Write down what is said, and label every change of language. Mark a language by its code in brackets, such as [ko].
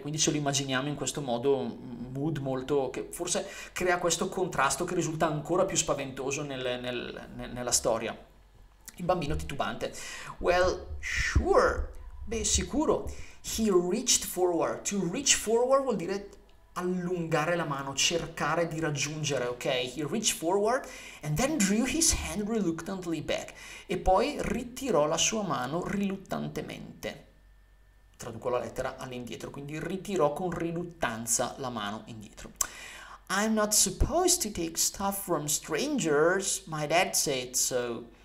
[it] Quindi ce lo immaginiamo in questo modo, mood molto, che forse crea questo contrasto che risulta ancora più spaventoso nella storia. Il bambino titubante. [en] Well, sure. [it] Beh, sicuro. [en] He reached forward. To reach forward [it] vuol dire allungare la mano, cercare di raggiungere, ok? [en] He reached forward and then drew his hand reluctantly back. [it] E poi ritirò la sua mano riluttantemente. Traduco la lettera all'indietro, quindi ritirò con riluttanza la mano indietro. [en] I'm not supposed to take stuff from strangers, my dad said so.